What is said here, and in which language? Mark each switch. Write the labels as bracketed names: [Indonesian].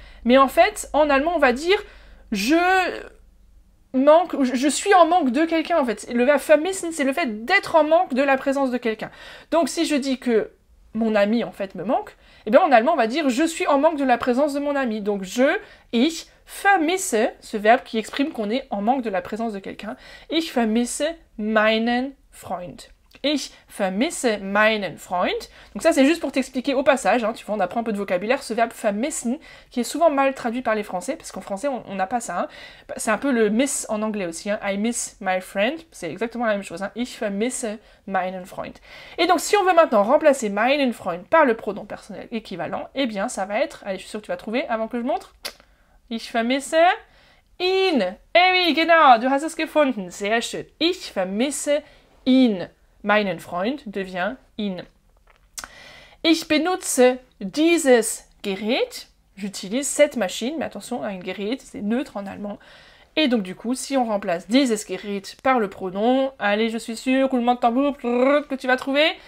[French] Mais en fait, en allemand, on va dire je suis en manque de quelqu'un, en fait. Le verbe vermissen, c'est le fait d'être en manque de la présence de quelqu'un. Donc si je dis que mon ami, en fait, me manque, eh bien, en allemand, on va dire « je suis en manque de la présence de mon ami ». Donc, « je »,« ich »,« vermisse », ce verbe qui exprime qu'on est en manque de la présence de quelqu'un. [German] « Ich vermisse meinen Freund ».« Ich vermisse meinen Freund ». [French] Donc ça, c'est juste pour t'expliquer au passage, hein, tu vois, on apprend un peu de vocabulaire, ce verbe « vermissen », qui est souvent mal traduit par les Français, parce qu'en français, on n'a pas ça. Hein. C'est un peu le « miss » en anglais aussi, hein, « [English] I miss my friend [French] », c'est exactement la même chose. Hein. [German] « Ich vermisse meinen Freund ». [French] Et donc, si on veut maintenant remplacer « [German] meinen Freund [French] » par le pronom personnel équivalent, eh bien, ça va être, allez, je suis sûre que tu vas trouver, avant que je montre, « [German] ich vermisse ihn ». [French] Eh oui, [German] genau, du hast es gefunden, sehr schön. « Ich vermisse ihn ». Meinen Freund [French] devient [German] in. Ich benutze dieses Gerät. [French] J'utilise cette machine, mais attention, ein Gerät, c'est neutre en allemand. Et donc du coup, si on remplace [German] dieses Gerät [French] par le pronom, allez, je suis sûr, roulement de tambour, que tu vas trouver.